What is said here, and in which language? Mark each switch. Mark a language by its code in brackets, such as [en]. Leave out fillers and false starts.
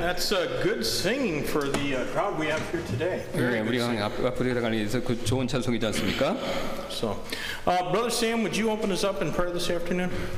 [en] That's a good singing for the crowd we have here today. [ko] 네, 우리가 앞으로 들어가는 데서 그 좋은 찬송이지 않습니까? [en] So, Brother Sam, would you open us up in prayer this afternoon?